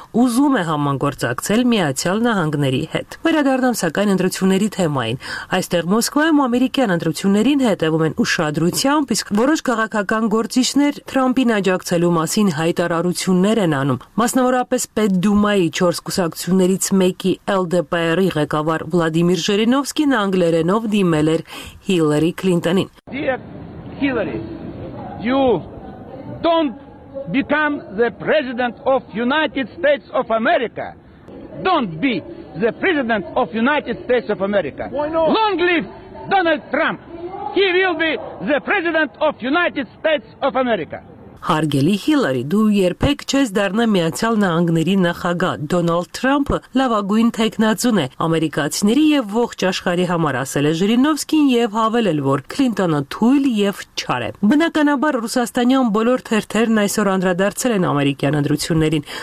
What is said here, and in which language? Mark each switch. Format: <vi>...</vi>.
<hy>ուզում է համագործակցել Միացյալ Նահանգների հետ։ Վերադառնամ սակայն ընտրությունների թեմային։ Այստեղ Մոսկվայում ամերիկյան ընտրություններին հետևում են ուշադրությամբ, իսկ որոշ քաղաքական գործիչներ Թրամփին աջակցելու մասին հայտարարություններ են անում։ Մասնավորապես Պետդումայի 4 կուսակցություններից մեկի LDP-ի ղեկավար Վլադիմիր Ժերինովսկին անգլերենով դիմել էր Հիլարի Քլինտոնին։</hy> <en>You don't become the president of United States of America. Don't be the president of United States of America. Why not? Long live Donald Trump. He will be the president of United States of America.</en> <hy>Հարգելի Հիլարի, դու երբեք չես դառնա Միացյալ Նահանգների նախագահ։ Դոնալդ Թրամփը լավագույն թեկնածուն է ամերիկացիների եւ ողջ աշխարհի համար, ասել է Ժրինովսկին եւ հավելել, որ Քլինտոնը թույլ եւ չար է։ Բնականաբար ռուսաստանյան բոլոր թերթերն այսօր անդրադարձել են ամերիկյան ընտրություններին։</hy>